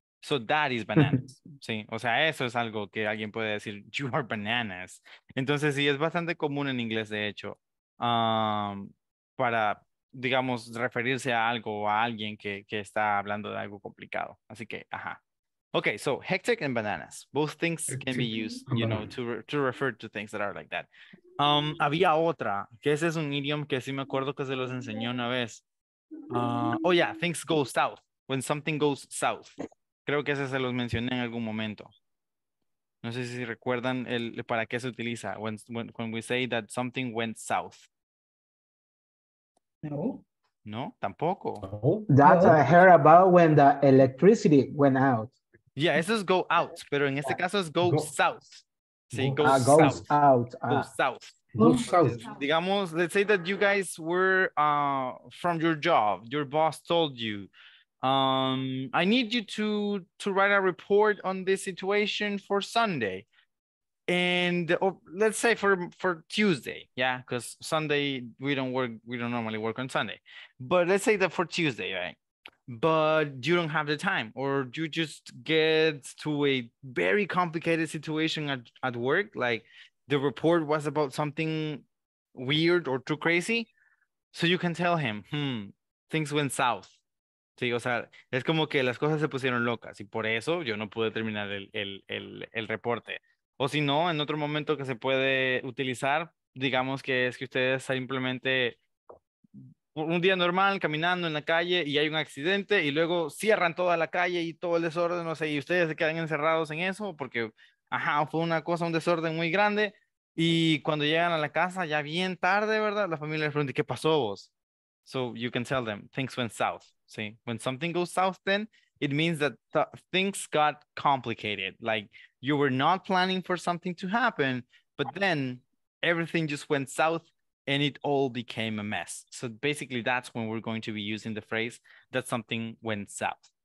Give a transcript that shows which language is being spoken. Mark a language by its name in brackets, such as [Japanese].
[English] So that is bananas. [Spanish] Sí, o sea, eso es algo que alguien puede decir, [English] you are bananas. [Spanish] Entonces, sí, es bastante común en inglés, de hecho, para, digamos, referirse a algo o a alguien que está hablando de algo complicado. Así que, ajá. [English] Okay, so hectic and bananas. Both things can be used, you know, to refer to things that are like that. [Spanish] Había otra, que ese es un idiom que sí me acuerdo que se los enseñó una vez. [English] Oh yeah, things go south. When something goes south. [Spanish] Creo que ese se los mencioné en algún momento. No sé si recuerdan el para qué se utiliza. [English] When we say that something went south. [Spanish] No. No, tampoco. No. [English] That's [Spanish] No. [English] what I heard about when the electricity went out. [Spanish] Yeah, eso es go out, pero en este caso es go [English] Go. south. Sí, go Goes south. out. Go south. Go south. Digamos, let's say that you guys were from your job. Your boss told you, I need you to write a report on this situation for Sunday. And let's say for Tuesday, yeah, because Sunday we don't normally work on Sunday. But let's say that for Tuesday, right? But you don't have the time, or you just get to a very complicated situation at work, like the report was about something weird or too crazy. So you can tell him, things went south. [Spanish] Sí, o sea, es como que las cosas se pusieron locas y por eso yo no pude terminar el reporte. O si no, en otro momento que se puede utilizar, digamos que es que ustedes simplemente. Un día normal, caminando en la calle y hay un accidente y luego cierran toda la calle y todo el desorden, no sé, y ustedes se quedan encerrados en eso porque, ajá, fue una cosa, un desorden muy grande y cuando llegan a la casa, ya bien tarde, ¿verdad? La familia les pregunta, ¿qué pasó vos? [English] So you can tell them, things went south, ¿sí? When something goes south then, it means that things got complicated. Like, you were not planning for something to happen, but then everything just went south. And it all became a mess. So basically, that's when we're going to be using the phrase that something went south.